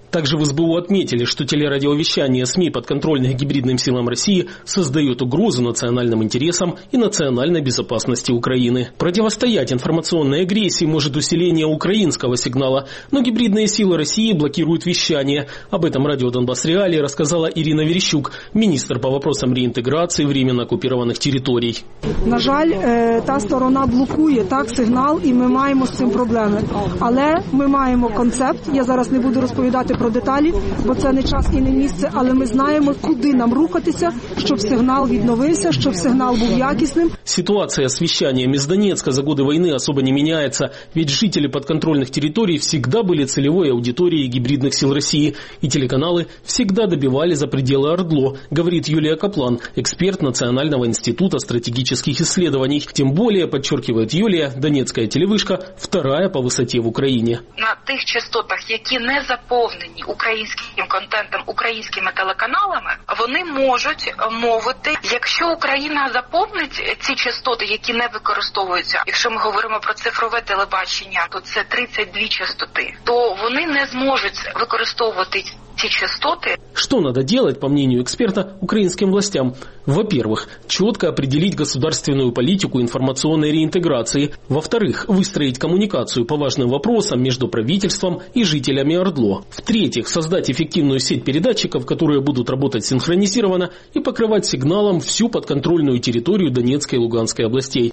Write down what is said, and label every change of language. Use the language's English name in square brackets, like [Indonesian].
[Russian] Также в СБУ отметили, что телерадиовещание СМИ, подконтрольных гибридным силам России, создает угрозу национальным интересам и национальной безопасности Украины. Противостоять информационной агрессии может усиление украинского сигнала, но гибридные силы России блокируют вещание. Об этом радио «Донбасс Реалии» рассказала Ирина Верещук, министр по вопросам реинтеграции временно оккупированных территорий. [Ukrainian] На жаль, та сторона блокує так сигнал, і ми маємо з цим проблеми. Але ми маємо концепт, я зараз не буду розповідати про деталі, бо це не час і не місце, але ми знаємо, куди нам рухатися, щоб сигнал відновився, щоб сигнал був якісним. Ситуація з віщанням із Донецька за годи війни особо не міняється, ведь жителі підконтрольних територій завжди були цільовою аудиторією гібридних сил Росії, і телеканали завжди добивали за пределы ОРДЛО, говорить Юлія Каплан, експерт Національного інституту стратегічних дослідувань. Тим більше, підчеркує Юлія, Донецька телевишка вторая по висоті в Україні. На тих частотах, які не заповнені українським контентом, українськими телеканалами, вони можуть мовити. Якщо Україна заповнить ці частоти, які не використовуються, якщо ми говоримо про цифрове телебачення, то це 32 частоти, то вони не зможуть використовувати ці частоти. Що треба робити, [Russian] по мнению [Ukrainian] експерта, українським властям? [Russian] Во-первых, четко определить государственную политику информационной реинтеграции. Во-вторых, выстроить коммуникацию по важным вопросам между правительством и жителями ОРДЛО. В-третьих, создать эффективную сеть передатчиков, которые будут работать синхронизированно и покрывать сигналом всю подконтрольную территорию Донецкой и Луганской областей.